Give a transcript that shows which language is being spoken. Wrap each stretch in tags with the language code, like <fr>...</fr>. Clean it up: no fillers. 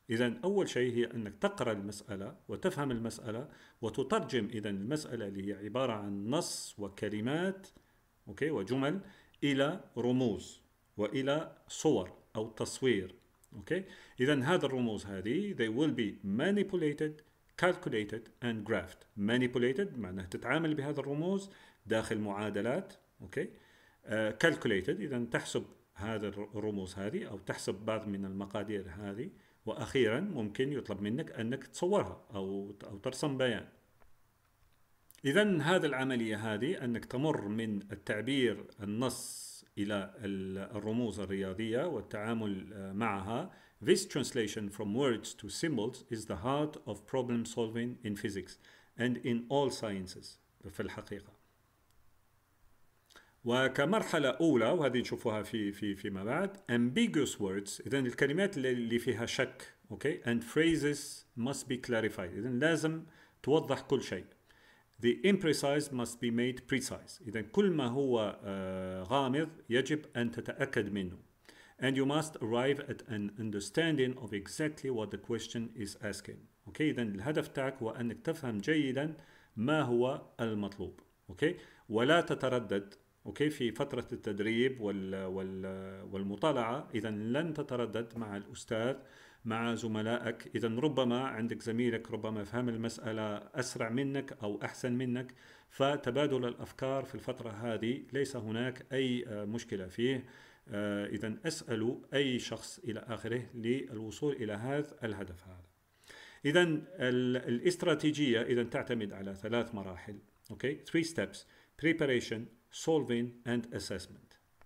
<ar>إذا أول شيء هي أنك تقرأ المسألة وتفهم المسألة وتترجم، إذا المسألة اللي هي عبارة عن نص وكلمات أوكي وجمل إلى رموز وإلى صور أو تصوير. أوكي، إذا هذا الرموز هذه</ar> <en>they will be manipulated, calculated and graphed.</en> <ar>manipulated معناه تتعامل بهذا الرموز داخل معادلات. اوكي، calculated اذا تحسب هذا الرموز هذه او تحسب بعض من المقادير هذه، واخيرا ممكن يطلب منك انك تصورها او ترسم بيان. اذا هذه العملية هذه انك تمر من التعبير النص الى الرموز الرياضية والتعامل معها.</ar> <en>This translation from words to symbols is the heart of problem solving in physics and in all sciences.</en> <ar>في الحقيقة، وكمرحلة أولى، وهذه نشوفها فيما بعد،</ar> <en>ambiguous words،</en> <ar>إذن الكلمات اللي فيها شك،</ar> <en>okay, and phrases must be clarified،</en> <ar>إذن لازم توضح كل شيء.</ar> <en>The imprecise must be made precise،</en> <ar>إذن كل ما هو غامض يجب أن تتأكد منه.</ar> <en>And you must arrive at an understanding of exactly what the question is asking.</en> <ar>Okay, إذن الهدف تاعك هو أنك تفهم جيدا ما هو المطلوب. Okay, ولا تتردد. Okay, في فترة التدريب والمطالعة، إذن لن تتردد مع الأستاذ، مع زملائك. إذن ربما عندك زميلك ربما فهم المسألة أسرع منك أو أحسن منك، فتبادل الأفكار في الفترة هذه ليس هناك أي مشكلة فيه. إذن أسألوا أي شخص إلى آخره للوصول إلى هذا الهدف هذا. إذن الاستراتيجية إذن تعتمد على ثلاث مراحل.</ar> <en>Okay, three steps: preparation, solving, and assessment.</en>